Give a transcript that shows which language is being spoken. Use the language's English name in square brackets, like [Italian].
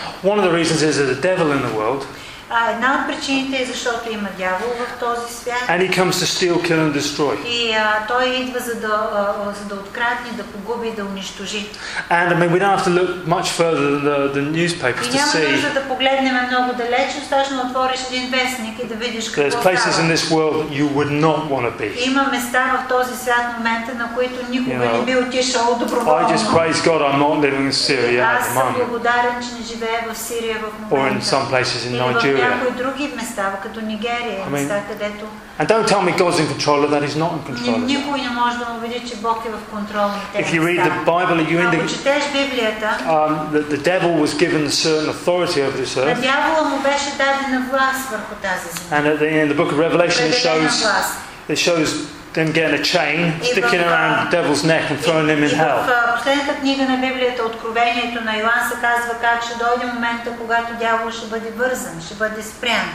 [English] One of the reasons is there's a devil in the world. [Bulgarian] Една от причините е защото има дявол в този свят. [English] And he comes to steal, kill and destroy. [Bulgarian] И той идва за да открадне, да погуби, да унищожи. [English] And I mean we don't have to look much further than the newspapers to see. [Bulgarian] Няма нужда да погледнем много далече, достатъчно отвориш един вестник и да видиш какво. [English] There's places in this world that you would not want to be. [Bulgarian] Има места в този свят, момента, на които никога не би отишъл доброволно. [English] I just praise God I'm not living in Syria at the moment. [Bulgarian] Аз съм благодарен, че не живея в Сирия в момента. [English] Or in some places in Nigeria. [Bulgarian] Някои други места, като Нигерия, места, където. [English] And don't tell me God's in control of that. He's not in control. [Bulgarian] Никой не може да убеди, че Бог е в контрол на тези. [English] If you read the Bible, you in [Bulgarian] Библията. [English] The devil was given certain authority over this earth. [Bulgarian] Дявола му беше дадена власт върху тази земя. [English] And in the book of Revelation it shows them getting a chain, sticking around the devil's neck and throwing him in hell. [Bulgarian] В последната книга на Библията, Откровението на Йоан, се казва как ще дойде момента, когато дявол ще бъде вързан, ще бъде спрян.